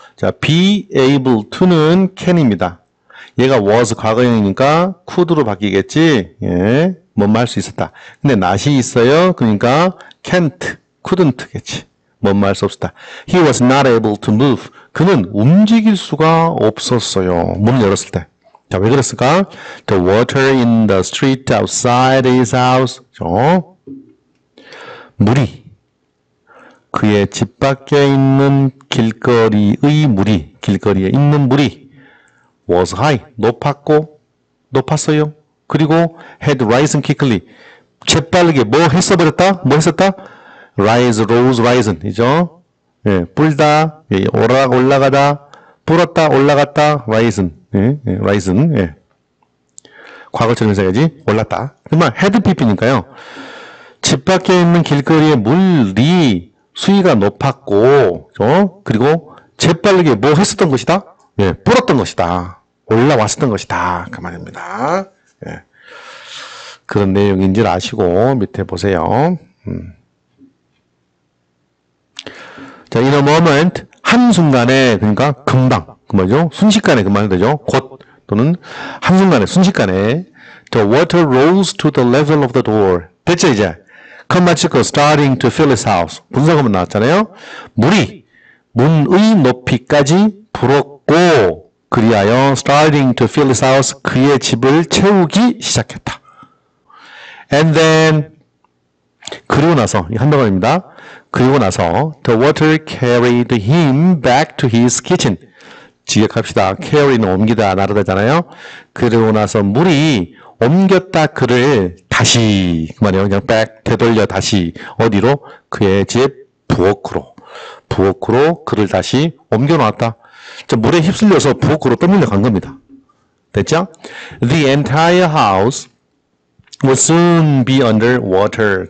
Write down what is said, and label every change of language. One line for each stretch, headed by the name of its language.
Korean: 자, be able to는 can입니다. 얘가 was 과거형이니까 could로 바뀌겠지? 예, 뭔말수 있었다. 근데 not이 있어요. 그러니까 can't, couldn't겠지. 뭔말수 없었다.
English: He was not able to move.
Korean: 그는 움직일 수가 없었어요. 문을 열었을 때. 자, 왜 그랬을까?
English: The water in the street outside his house.
Korean: 물이. 그의 집 밖에 있는 길거리의 물이. 길거리에 있는 물이.
English: was high.
Korean: 높았고, 높았어요. 그리고
English: had risen quickly.
Korean: 재빠르게 뭐 했어 버렸다? 뭐 했었다? Rise, rose, risen, 이죠? 예, 불다, 예, 오락 올라가다, 불었다, 올라갔다, risen, 예. 과거처럼 해야지, 올랐다. 그만, had pp니까요. 집 밖에 있는 길거리에 물이 수위가 높았고, 그리고 재빠르게 뭐 했었던 것이다? 예, 불었던 것이다. 올라왔었던 것이다. 그 말입니다. 예. 그런 내용인 줄 아시고, 밑에 보세요. 자,
English: in a moment,
Korean: 한순간에, 그러니까 금방, 그 말이죠? 순식간에 그말 해도 되죠? 곧, 또는 한순간에, 순식간에.
English: The water rose to the level of the door.
Korean: 됐죠, 이제?
English: Come much ago, starting to fill his house.
Korean: 분석하면 나왔잖아요? 물이 문의 높이까지 불었고, 그리하여
English: starting to fill his house,
Korean: 그의 집을 채우기 시작했다. And then, 그리고 나서, 한동안입니다. 그리고 나서,
English: the water carried him back to his kitchen.
Korean: 직역합시다. carry는 옮기다, 나르다잖아요. 그리고 나서 물이 옮겼다, 그를 다시. 그 말이에요. 그냥 back, 되돌려, 다시. 어디로? 그의 집, 부엌으로. 부엌으로 그를 다시 옮겨놓았다. 저 물에 휩쓸려서 부엌으로 떠밀려 간 겁니다. 됐죠?
English: The entire house will soon be under water.